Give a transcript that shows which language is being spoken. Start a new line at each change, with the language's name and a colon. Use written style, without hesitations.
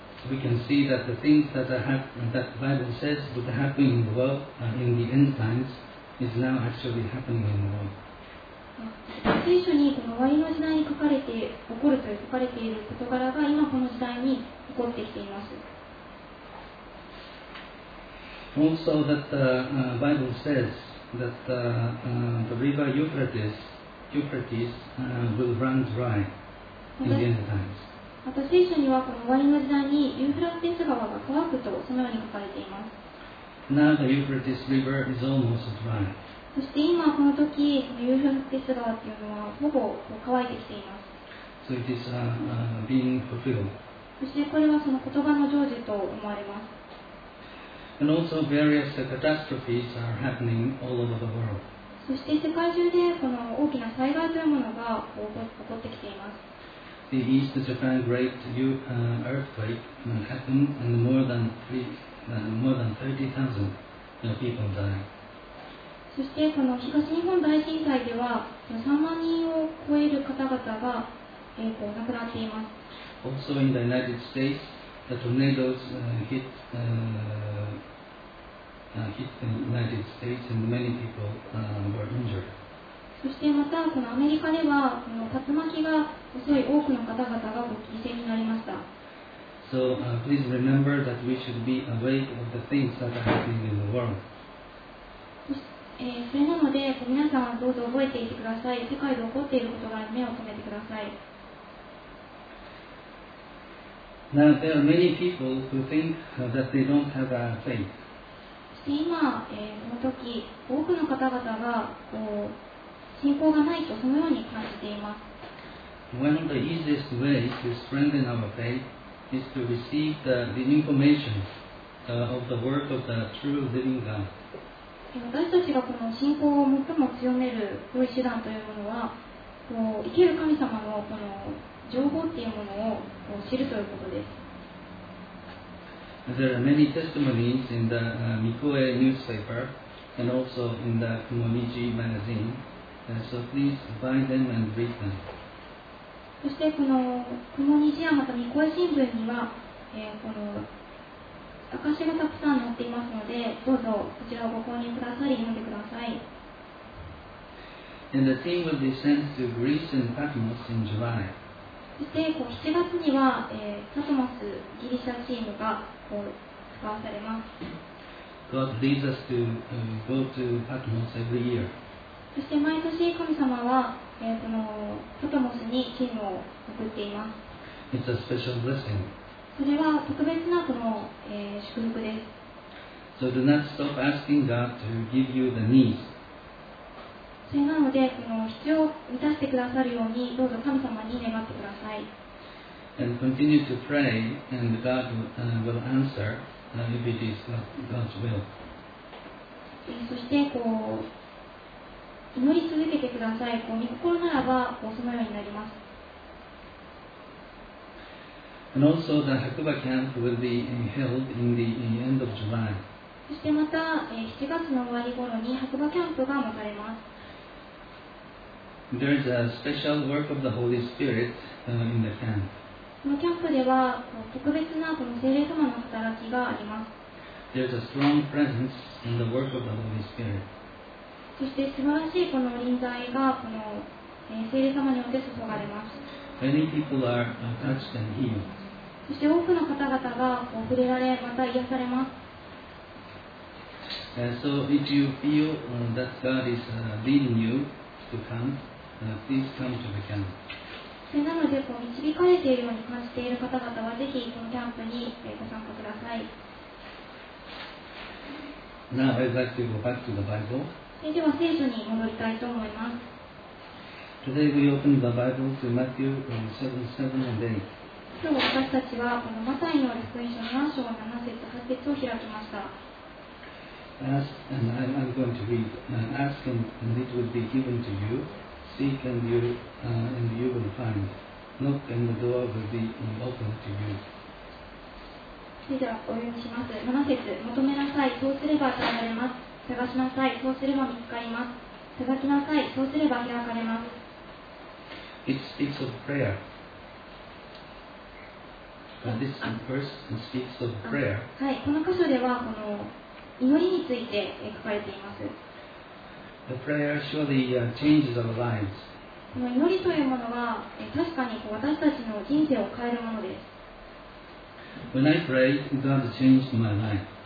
English: We can see that the things that that the Bible says would happen in the world in the end times is now actually happening in the world.
Japanese: 聖書にこの終わりの時代に書かれて起こると書かれている事柄が今この時代に起こってきています。
English: Also that the Bible says that the river Euphrates will run dry in the end times.
Japanese: また聖書にはこの終わりの時代にユーフラテス川が乾くとそのように書かれています。
English: Now the Euphrates river is almost dry.
Japanese: そして今この時ユーフラテス川というのはほぼ乾いてきています。
English: So it is, being fulfilled.
Japanese: そしてこれはその言葉の成就と思われます。
English: And also various catastrophes are happening all over the world.
Japanese: そして世界中でこの大きな災害というものが起こってきています。
English: The East Japan Great Earthquake happened and more than 30,000 people died.
Japanese: そしてこの東日本大震災では3万人を超える方々が亡くなっています。
English: Also in the United States, the tornadoes hit the United States and many people were injured.
Japanese: そしてまたこのアメリカではこの竜巻が襲い多くの方々が犠牲になりました。
English: So, please remember that we should be aware of the things that are happening in the world.
Japanese: それなので皆さんどうぞ覚えていてください。世界で起こっていることが目を留めてください。
English: Now there are many people who think that they don't have a faith.
Japanese: そして今、この時多くの方々がこう信仰がないとそのように感じています。
English: One of the easiest ways to strengthen our faith is to receive the information of the work of the true living God.
Japanese: 私たちがこの信仰を最も強める良い手段というものは、こう生きる神様のこの情報というものをこう知るということです。
English: There are many testimonies in the Mikoe newspaper and also in the Kumomiji magazine, so please buy them and read them.
Japanese: そしてこの Kumomiji やまた Mikoe 新聞には、この証がたくさん載っていますのでどうぞこちらをご購入ください。読んでください。
English: And the team will be sent to Greece and Patmos in July.
Japanese: そして7月にはパトモス、ギリシャチームが使わされます。
English: God leads us to go to Patmos every year.
Japanese: そして毎年神様はこのパトモスにチームを送っています。
English: It's a special blessing.
Japanese: それは特別なこの、祝福です。
English: So do not stop asking God to give you the needs.
Japanese: それなのでこの必要を満たしてくださるようにどうぞ神様に願ってください。
English: And continue to pray and God will answer if it is God's will.
Japanese: そしてこう祈り続けてください。こう御心ならばこうそのようになります。
English: And also the Hakuba camp will be held in the end of July.
Japanese: そしてまた7月の終わり頃に白馬キャンプが持たれます。
English: There is a special work of the Holy Spirit in the camp.
Japanese: このキャンプでは特別なこの聖霊様の働きがあります。
English: There is a strong presence in the work of the Holy Spirit.
Japanese: そして素晴らしいこの臨在がこの聖霊様によって注がれます。
English: Many people are touched and healed.
Japanese: そして多くの方々が触れられまた癒されます。
English: So if you feel that God is leading you to come, please come to the camp.
Japanese: なのでこう導かれているように感じている方々はぜひこのキャンプにご参加ください。
English: Now I'd like to go back to the Bible.
Japanese: では聖書に戻りたいと思います。
English: Today we open the Bible to Matthew 7, 7 and 8.
Japanese: 今日私たちはこのマタイの福音書7章7節8節を開きました。それではお読みします。 7節、求めなさい、そうすれば与えられます。探しなさい、そうすれば見つかります。探しなさい、そうすれば開かれます。
English: It's a prayerThis verse speaks of prayer.
Japanese: はい、この箇所ではこの祈りについて書かれています。
English: The prayer surely changes our lives.
Japanese: この祈りというものは確かに私たちの人生を変えるものです。
English: When I pray, God changed my life.